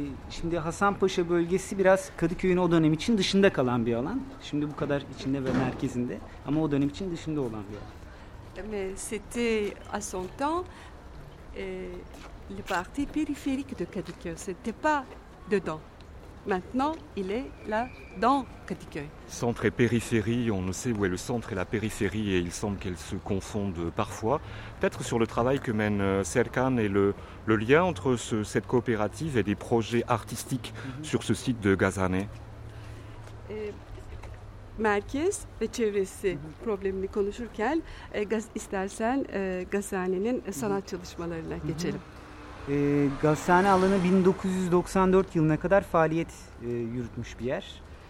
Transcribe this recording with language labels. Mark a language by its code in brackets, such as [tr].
[tr] Şimdi Hasanpaşa bölgesi biraz Kadıköy'ün o dönem için dışında kalan bir alan. Şimdi bu kadar içinde ve merkezinde ama o dönem için dışında olan bir alan. [fr] Mais c'était à son temps le parti périphérique de Kadıköy. C'était pas dedans. Maintenant, il est là dans Kadıköy. Centre et périphérie, on ne sait où est le centre et la périphérie et il semble qu'elles se confondent parfois. Peut-être sur le travail que mène Serkan et le lien entre cette coopérative et des projets artistiques sur ce site de Gazané. [tr] Merkez ve çevresi problemini konuşurken istersen Gazane'nin sanat çalışmalarına geçelim. Gazane alanı 1994 yılına kadar faaliyet yürütmüş bir yer.